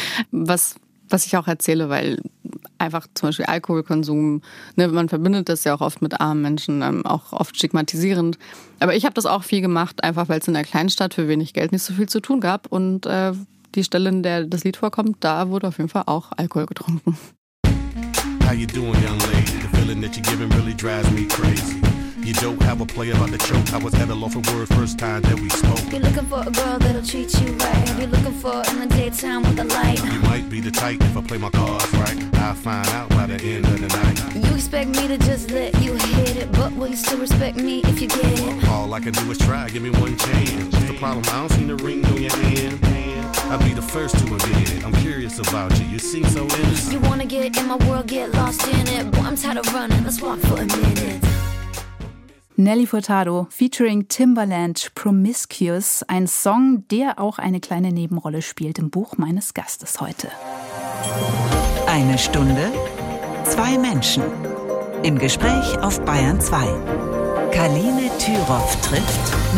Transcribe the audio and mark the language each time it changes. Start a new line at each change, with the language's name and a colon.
German: Was ich auch erzähle, weil einfach zum Beispiel Alkoholkonsum, ne, man verbindet das ja auch oft mit armen Menschen, auch oft stigmatisierend. Aber ich habe das auch viel gemacht, einfach weil es in der Kleinstadt für wenig Geld nicht so viel zu tun gab. Und die Stelle, in der das Lied vorkommt, da wurde auf jeden Fall auch Alkohol getrunken.
English: How you doing, young lady? The feeling that you're giving really drives me crazy. You don't have a play about the choke. I was at a loss for words first time that we spoke. You're looking for a girl that'll treat you right. You're looking for in the daytime with a light. You might be the type if I play my cards right. I'll find out by the end of the night. You expect me to just let you hit it. But will you still respect me if you get it? All I can do is try, give me one chance. What's the problem? I don't see the ring on your hand. I'll be the first to admit it. I'm curious about you, you seem so innocent. You wanna get in my world, get lost in it. Boy, I'm tired of running, let's walk for a minute.
German: Nelly Furtado featuring Timbaland, Promiscuous, ein Song, der auch eine kleine Nebenrolle spielt im Buch meines Gastes heute. Eine Stunde, zwei Menschen. Im Gespräch auf Bayern 2. Kaline Tyroff trifft